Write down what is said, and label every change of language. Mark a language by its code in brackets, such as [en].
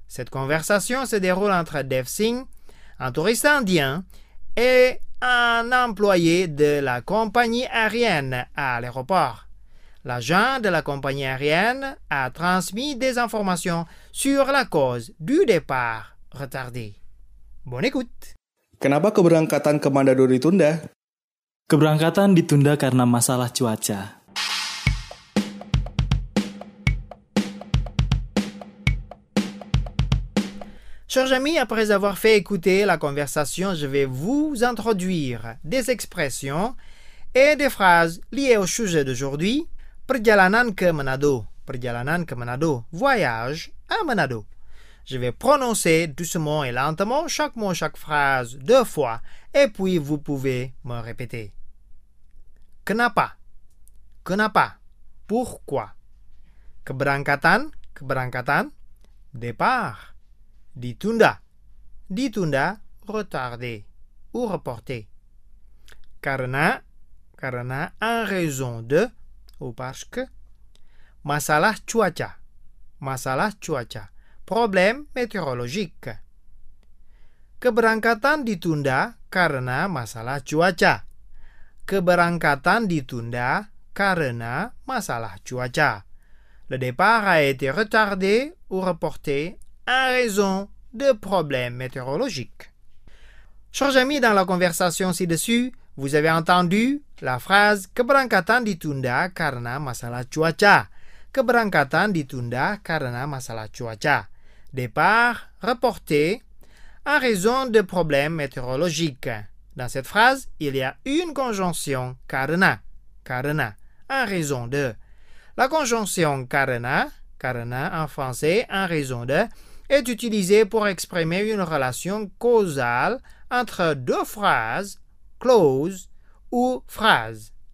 [fr] Cette conversation se déroule entre Dev Singh, un touriste indien, et un employé de la compagnie aérienne à l'aéroport. L'agent de la compagnie aérienne a transmis des informations sur la cause du départ retardé. Bonne écoute. [id] Kenapa keberangkatan ke Manado ditunda? Keberangkatan ditunda karena masalah cuaca. [fr] Chers amis, après avoir fait écouter la conversation, je vais vous introduire des expressions et des phrases liées au sujet d'aujourd'hui. [id] Perjalanan ke Manado. Perjalanan ke Manado. [fr] Voyage à Manado. Je vais prononcer doucement et lentement chaque mot, chaque phrase deux fois et puis vous pouvez me répéter. [id] Kenapa. Kenapa. Pourquoi. Keberangkatan. Keberangkatan. Départ. Ditunda. [fr] Ditunda, retardé ou reporté. Karena, karena, en raison de ou parce que. [id] Masalah cuaca. Masalah cuaca, [fr] problème météorologique. [id] Keberangkatan ditunda karena masalah cuaca. Keberangkatan ditunda karena masalah cuaca. [fr] Le départ a été retardé ou reporté en raison de problèmes météorologiques. Chers amis, dans la conversation ci-dessus, vous avez entendu la phrase [id] Keberangkatan ditunda karena masalah cuaca. Keberangkatan ditunda karena masalah cuaca. [fr] Départ reporté en raison de problèmes météorologiques. Dans cette phrase, il y a une conjonction karena. Karena, en raison de. La conjonction karena, karena en français, en raison de, est utilisé pour exprimer une relation causale entre deux phrases, clause ou phrase.